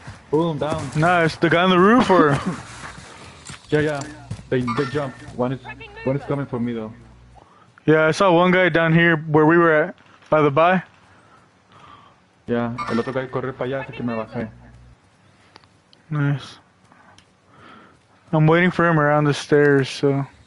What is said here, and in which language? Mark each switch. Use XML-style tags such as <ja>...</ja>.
<en>Boom, down. Nice. The guy on the roof or? Yeah. They jump. One is coming for me though. Yeah, I saw one guy down here where we were at, by the by.</en> <es>Yeah, el otro guy corre para allá, así que me bajé.</es> <en>Nice. I'm waiting for him around the stairs, so...</en>